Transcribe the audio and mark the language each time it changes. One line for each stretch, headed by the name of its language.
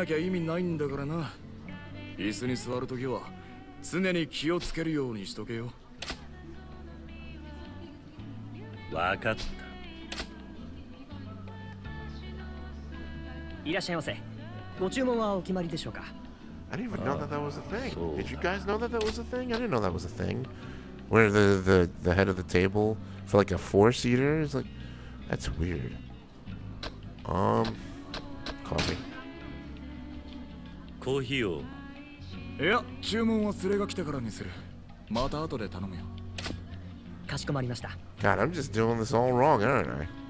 Japanese: まさか上座に座ろうなんて思ってないよな。俺たちが座るのは当然下座だ。それくらい知ってる。知ってても実行できなきゃ意味ないんだからな。椅子に座るときは 常に気をつけるようにしとけよ。分かった。いらっしゃいませ。ご注文はお決まりでしょうか。
English: I didn't even know that was a thing. Did you guys know that that was a thing? I didn't know that was a thing. Where the head of the table for like a four-seater is like, that's weird. Coffee.
Japanese: コーヒーをいや、注文は連れが来てからにする。また後で頼むよ。かしこまりました。
English: God, I'm just doing this all wrong, aren't I?